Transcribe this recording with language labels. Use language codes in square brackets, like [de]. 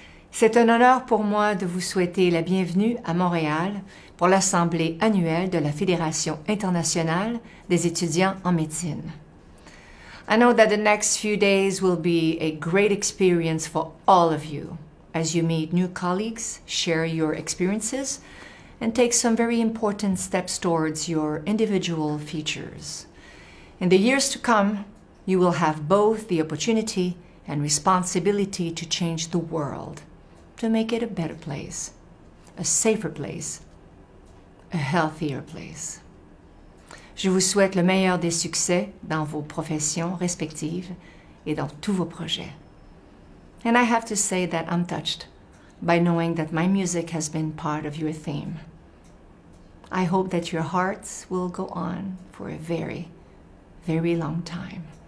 [fr] C'est un honneur pour moi de vous souhaiter la bienvenue à Montréal pour l'Assemblée annuelle de la Fédération internationale des étudiants en médecine. [en] I know that the next few days will be a great experience for all of you as you meet new colleagues, share your experiences, and take some very important steps towards your individual futures. In the years to come, you will have both the opportunity and responsibility to change the world, to make it a better place, a safer place, a healthier place. [fr] Je vous souhaite le meilleur des succès dans vos professions respectives et dans tous vos projets. [en] And I have to say that I'm touched by knowing that my music has been part of your theme. I hope that your hearts will go on for a very, very long time.